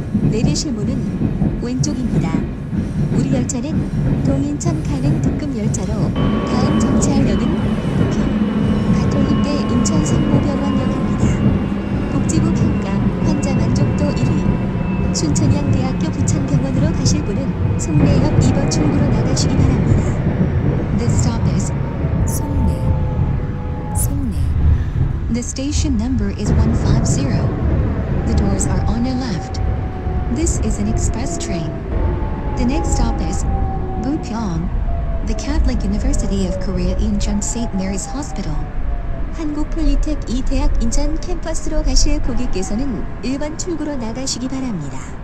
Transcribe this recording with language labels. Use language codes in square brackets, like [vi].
[ko] 내리실 문은 왼쪽입니다. 우리 열차는 동인천 가는 특급 열차로 다음 정차할 역은 북경 가톨릭대 인천성모병원역입니다. 복지부 평가 환자 만족도 1위. 순천향대학교 부천병원으로 가실 분은 송내역 2번 출구로 나가시기 바랍니다. [en] The stop is 송내. 송내. The station number is 150. The doors are on your left. This is an express train. The next stop is Bukyong, the Catholic University of Korea Incheon St. Mary's Hospital. [ko] 한국 폴리텍 이 대학 인천 캠퍼스로 가실 고객께서는 1번 출구로 나가시기 바랍니다.